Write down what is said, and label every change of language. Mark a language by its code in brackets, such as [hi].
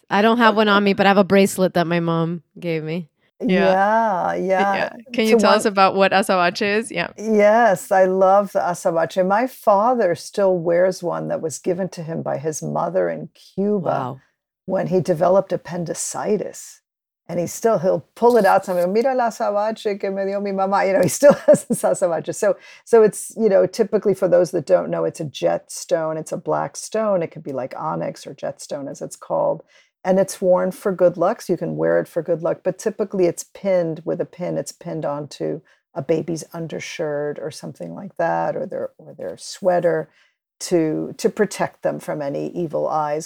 [en] I don't have one on me, but I have a bracelet that my mom gave me. Yeah. Can you tell us about what azabache is? Yeah. Yes, I love the azabache. My father still wears one that was given to him by his mother in Cuba when he developed appendicitis. And he'll pull it out. Somewhere. [es] Mira la azabache que me dio mi mamá. [en] You know, he still has this azabache. So it's, you know, typically for those that don't know, it's a jet stone. It's a black stone. It could be like onyx or jet stone, as it's called. And it's worn for good luck, so you can wear it for good luck. But typically it's pinned with a pin. It's pinned onto a baby's undershirt or something like that, or their sweater to protect them from any evil eyes.